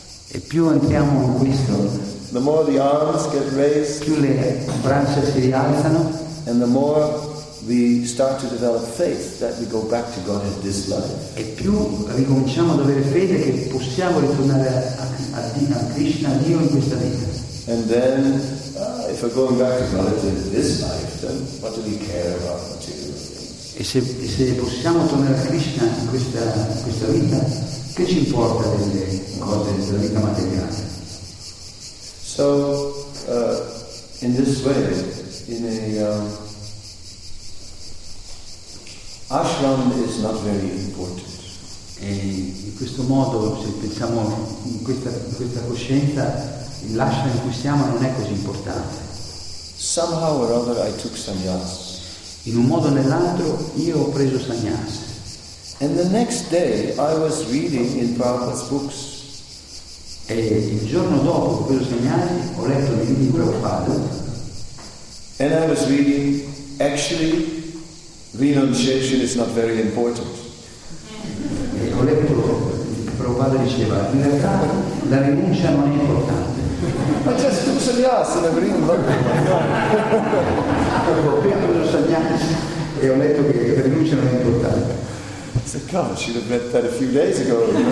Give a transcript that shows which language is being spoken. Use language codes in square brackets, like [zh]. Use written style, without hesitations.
[it] e più entriamo in questo, [en] the more the arms get raised, [it] più le braccia si rialzano, [en] and the more we start to develop faith that we go back to Godhead this life. [it] E più ricominciamo ad avere fede che possiamo ritornare a Krishna, a Dio in questa vita. [en] And then, if we're going back to Godhead in this life, then what do we care about material things? [it] E se possiamo tornare a Krishna in questa vita, che ci importa delle cose della vita materiale? [en] So, in this way, in a ashram is not very important. [it] E in questo modo, se pensiamo in questa coscienza, l'ashram in cui siamo non è così importante. [en] Somehow or other I took sannyas. [it] In un modo o nell'altro io ho preso sannyas. [en] And the next day I was reading in Prabhupada's books. [it] E il giorno dopo che ho preso sannyas ho letto nei libri di Prabhupada. [en] And I was reading, actually, renunciation is not very important. [it] E ho letto, Prabhupada diceva, in realtà la rinuncia non è importante. [en] I just took sannyas and I've written about it. [it] Ho preso sannyas e ho letto che la rinuncia non è importante. [en] I said, God, I should have read that a few days ago.